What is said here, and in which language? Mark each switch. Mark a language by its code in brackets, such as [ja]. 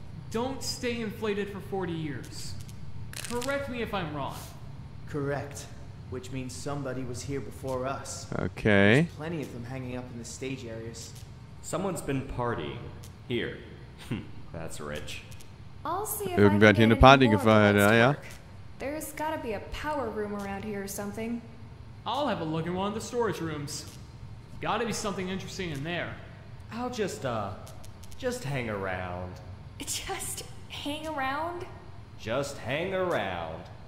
[en] don't stay inflated for 40 years. Correct me if I'm wrong. Correct, which means somebody was here before us. Okay. There's plenty of them hanging up in the stage areas. Someone's been partying here. That's rich. [de] Irgendwer hat hier eine Party gefeiert, ja, ja. [en] There's got to be a power room around here or something. I'll have a look in one of the storage rooms. Gotta be something interesting in there. I'll just hang around. Just hang around? Just hang around.